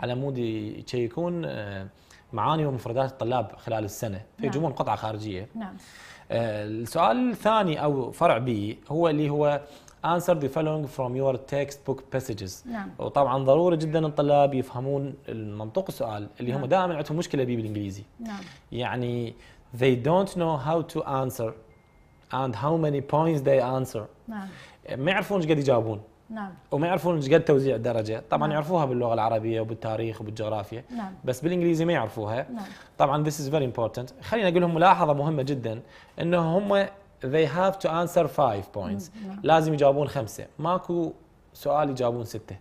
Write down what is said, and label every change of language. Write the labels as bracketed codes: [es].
[ar] على مود يكون معاني ومفردات الطلاب خلال السنة فيجمون نعم. قطعة خارجية نعم السؤال الثاني او فرع بي هو اللي هو [en] answer the following from your textbook passages. [ar] نعم. وطبعا ضروري جدا الطلاب يفهمون منطوق السؤال اللي نعم. هم دائما عندهم مشكله بيه بالانجليزي. نعم. يعني [en] they don't know how to answer and how many points they answer. [ar] نعم. ما يعرفون ايش قد يجاوبون. نعم. وما يعرفون ايش قد توزيع الدرجه، طبعا نعم. يعرفوها باللغه العربيه وبالتاريخ وبالجغرافيا. نعم. بس بالانجليزي ما يعرفوها. نعم. طبعا [en] this is very important. [ar] خليني اقول لهم ملاحظه مهمه جدا انه هم [en] they have to answer 5 points. [ar] نعم. لازم يجاوبون 5، ماكو سؤال يجاوبون 6.